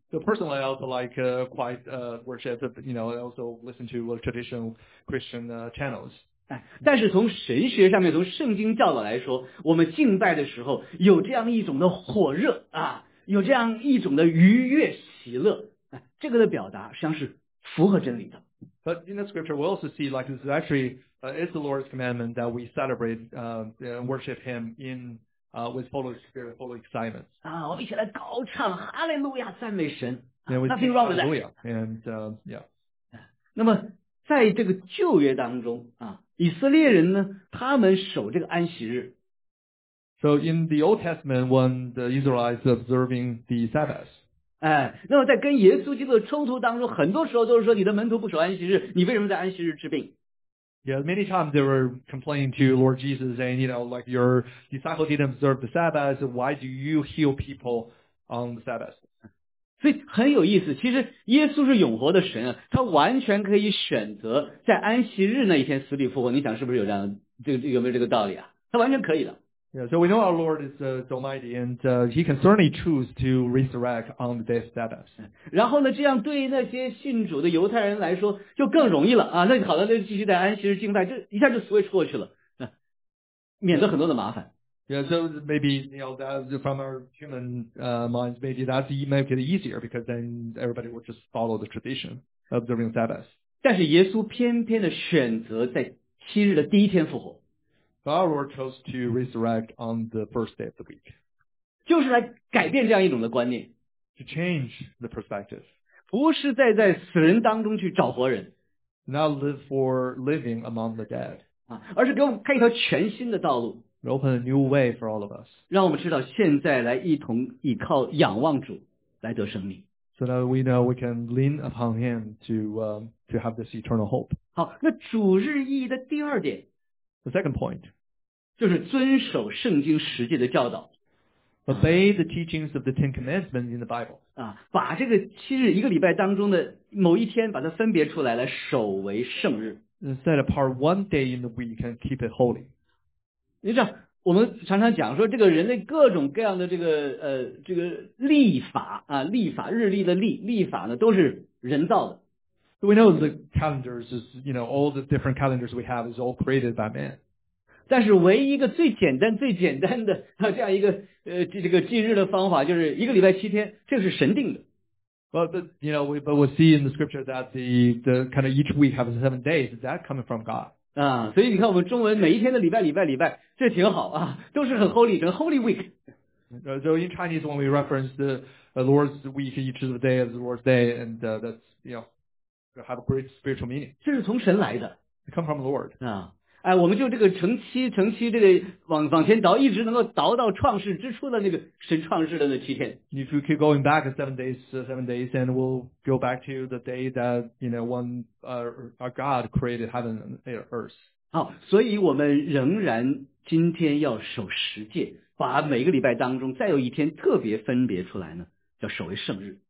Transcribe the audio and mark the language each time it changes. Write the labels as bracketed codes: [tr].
[en] So personally I also like quiet worship, you know, I also listen to traditional Christian channels. [zh] 但是从神学上面，从圣经教导来说，我们敬拜的时候有这样一种的火热啊，有这样一种的愉悦喜乐，这个的表达实际上是符合真理的。 [en] But in the scripture, we also see like this is actually, it's the Lord's commandment that we celebrate, and worship Him in, with full of spirit, full of excitement. [zh] 啊，我们一起来高唱哈利路亚，赞美神。 [en] Yeah, we sing hallelujah. And, yeah. [zh] 那么在这个旧约当中啊，以色列人呢，他们守这个安息日。 [en] So in the Old Testament, when the Israelites observing the Sabbath, [zh] 哎，那么在跟耶稣基督的冲突当中，很多时候都是说你的门徒不守安息日，你为什么在安息日治病？ [en] Yeah, many times they were complaining to Lord Jesus saying, you know, like your disciples didn't observe the Sabbath, so why do you heal people on the Sabbath? [zh] 所以很有意思，其实耶稣是永活的神啊，他完全可以选择在安息日那一天死里复活，你想是不是有这样，有没有这个道理啊？他完全可以的。 [en] Yeah, so we know our Lord is Almighty, and He can certainly choose to resurrect on the day of Sabbath. [zh] 然后呢，这样对那些信主的犹太人来说就更容易了啊。那好了，那继续在安息日敬拜，就一下就 switch 过去了，免得很多的麻烦。 [en] Yeah, so maybe you know that from our human minds, maybe that make it easier because then everybody will just follow the tradition observing Sabbath. [zh] 但是耶稣偏偏的选择在七日的第一天复活。 [en] Our Lord chose to resurrect on the first day of the week. [zh] 就是来改变这样一种的观念。 [en] To change the perspective. [zh] 不是在死人当中去找活人。 [en] Not live for living among the dead. [zh] 而是给我们开一条全新的道路。 [en] It opened a new way for all of us. [zh] 让我们知道现在来一同依靠仰望主来得生命。 [en] So that we know we can lean upon Him to have this eternal hope. [zh] 好，那主日意义的第二点。 [en] The second point, [zh] 就是遵守圣经实际的教导。 [en] Obey the teachings of the Ten Commandments in the Bible. [zh] 啊，把这个七日一个礼拜当中的某一天把它分别出来，来守为圣日。 [en] Set apart one day in the week and keep it holy. [zh] 你知道，我们常常讲说，这个人类各种各样的这个立法啊，立法日历的立法呢，都是人造的。 [en] So we know the calendars is, you know, all the different calendars we have is all created by man. [zh] 但是唯一一个最简单最简单的这样一个这个纪日的方法就是一个礼拜七天，这个是神定的。 [en] But we see in the scripture that the kind of each week have 7 days, is that coming from God? [zh] 啊，所以你看我们中文每一天的礼拜，这挺好啊，都是很 holy, 很 holy week. [en] So in Chinese when we reference the Lord's week, each of the day is the Lord's day, and that's, you know,have a great spiritual meaning. [zh] 这是从神来的。 [en] It come from the Lord. [zh] 啊，哎，我们就这个乘七这个往前倒，一直能够倒到创世之初的那个神创世的那七天。 [en] If we keep going back seven days, and we'll go back to the day that, you know, when our God created heaven and earth. [zh] 好，所以我们仍然今天要守十诫，把每个礼拜当中再有一天特别分别出来呢，叫守为圣日。